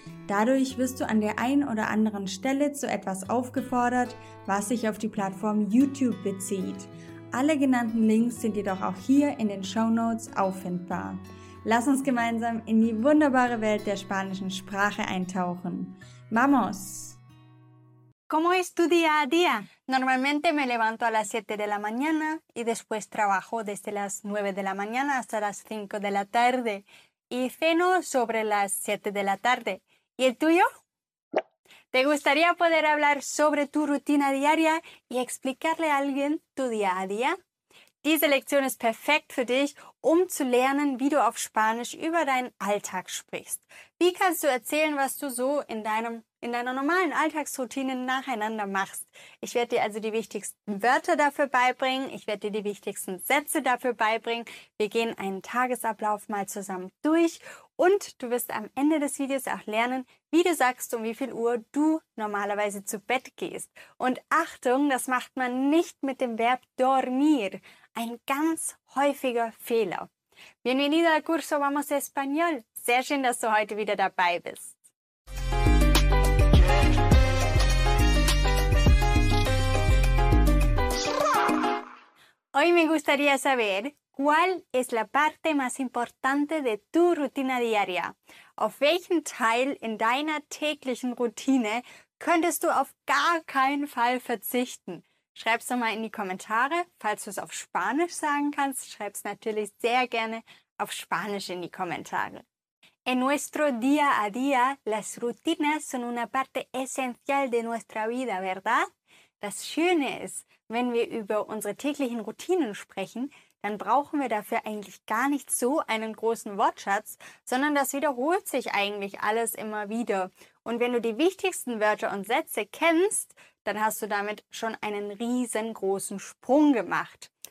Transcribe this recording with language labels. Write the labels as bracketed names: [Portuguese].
[German] Dadurch wirst du an der einen oder anderen Stelle zu etwas aufgefordert, was sich auf die Plattform YouTube bezieht. Alle genannten Links sind jedoch auch hier in den Shownotes auffindbar. Lass uns gemeinsam in die wunderbare Welt der spanischen Sprache eintauchen. [Spanish] ¡Vamos! ¿Cómo es tu día a día? Normalmente me levanto a las 7 de la mañana y después trabajo desde las 9 de la mañana hasta las 5 de la tarde y ceno sobre las 7 de la tarde. ¿Y el tuyo? ¿Te gustaría poder hablar sobre tu rutina diaria y explicarle a alguien tu día a día? [German] Diese Lektion ist perfekt für dich, um zu lernen, wie du auf Spanisch über deinen Alltag sprichst. Wie kannst du erzählen, was du so in deiner normalen Alltagsroutine nacheinander machst? Ich werde dir also die wichtigsten Wörter dafür beibringen. Ich werde dir die wichtigsten Sätze dafür beibringen. Wir gehen einen Tagesablauf mal zusammen durch. Und du wirst am Ende des Videos auch lernen, wie du sagst, um wie viel Uhr du normalerweise zu Bett gehst. Und Achtung, das macht man nicht mit dem Verb dormir. Ein ganz häufiger Fehler. [Spanish] Bienvenido al curso Vamos Español. [German] Sehr schön, dass du heute wieder dabei bist. [Spanish] Hoy me gustaría saber, ¿cuál es la parte más importante de tu rutina diaria? [German] Auf welchen Teil in deiner täglichen Routine könntest du auf gar keinen Fall verzichten? Schreib's doch mal in die Kommentare. Falls du es auf Spanisch sagen kannst, schreib's natürlich sehr gerne auf Spanisch in die Kommentare. [Spanish] En nuestro día a día, las rutinas son una parte esencial de nuestra vida, ¿verdad? [German] Das Schöne ist, wenn wir über unsere täglichen Routinen sprechen, dann brauchen wir dafür eigentlich gar nicht so einen großen Wortschatz, sondern das wiederholt sich eigentlich alles immer wieder. Und wenn du die wichtigsten Wörter und Sätze kennst, dann hast du damit schon einen riesengroßen Sprung gemacht.